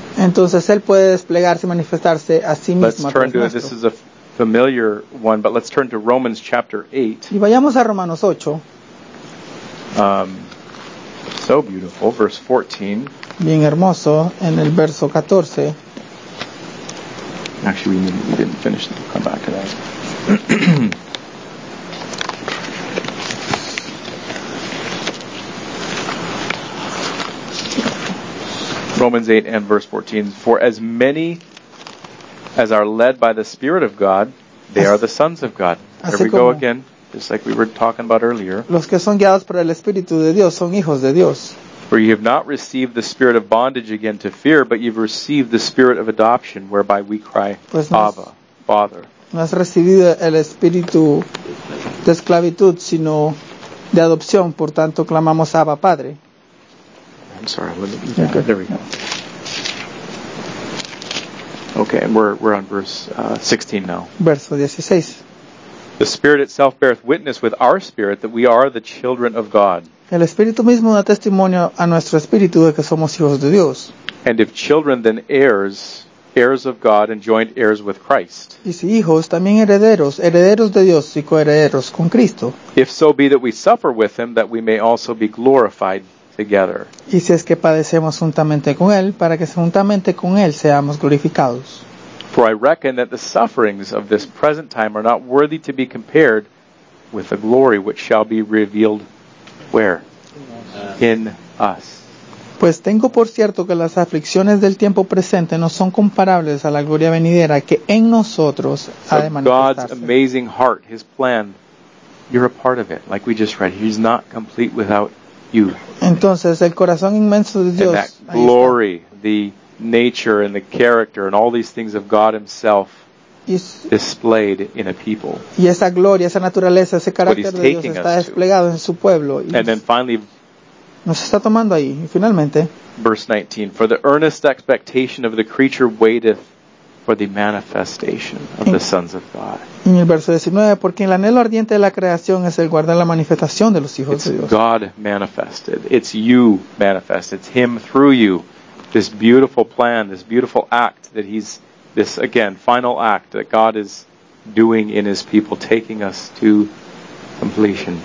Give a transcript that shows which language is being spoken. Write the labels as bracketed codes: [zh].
[es] Entonces él puede desplegarse y manifestarse a sí mismo. [en] Let's turn to this is a familiar one, but let's turn to Romans chapter 8. [es] Y vayamos a Romanos 8. [en] So beautiful, verse 14. [es] Bien hermoso, en el verso 14. [en] Actually, we didn't finish. We'll come back to that. Romans 8 and verse 14. For as many as are led by the Spirit of God, they are the sons of God. There we go again, just like we were talking about earlier. [es] Los que son guiados por el Espíritu de Dios son hijos de Dios. [en] For you have not received the spirit of bondage again to fear, but you've received the spirit of adoption, whereby we cry, [es] pues [en] Abba. father. [es] No has recibido el espíritu de esclavitud, sino de adopción. Por tanto, clamamos Abba, Padre. [en] I'm sorry, let me, okay. There we go. Okay, and we're on verse 16 now. [es] Verso 16. [en] The Spirit itself beareth witness with our spirit that we are the children of God. [es] El Espíritu mismo da testimonio a nuestro espíritu de que somos hijos de Dios. [en] And if children, then heirs, heirs of God and joint heirs with Christ. [es] Y si hijos, también herederos, herederos de Dios y coherederos con Cristo. [en] If so be that we suffer with him, that we may also be glorified together. [es] Y si es que padecemos juntamente con él, para que juntamente con él seamos glorificados. [en] For I reckon that the sufferings of this present time are not worthy to be compared with the glory which shall be revealed where? In us. [es] Pues tengo por cierto que las aflicciones del tiempo presente no son comparables a la gloria venidera que en nosotros ha de manifestarse. [en] God's amazing heart, his plan, you're a part of it, like we just read. He's not complete without you. [es] Entonces, el corazón inmenso de Dios, [en] and that glory, the nature and the character and all these things of God himself displayed in a people. [es] Y esa gloria, esa naturaleza, ese carácter de Dios está desplegado en su pueblo. [en] And then finally, [es] nos está tomando ahí, y finalmente. [en] Verse 19, for the earnest expectation of the creature waiteth for the manifestation of the sons of God. [es] En el verso 19, porque el anhelo ardiente de la creación es el guardar la manifestación de los hijos [en] it's [es] de Dios. [en] It's God manifested. It's you manifest. It's him through you. This beautiful plan, this beautiful act that he's, this again, final act that God is doing in his people, taking us to completion.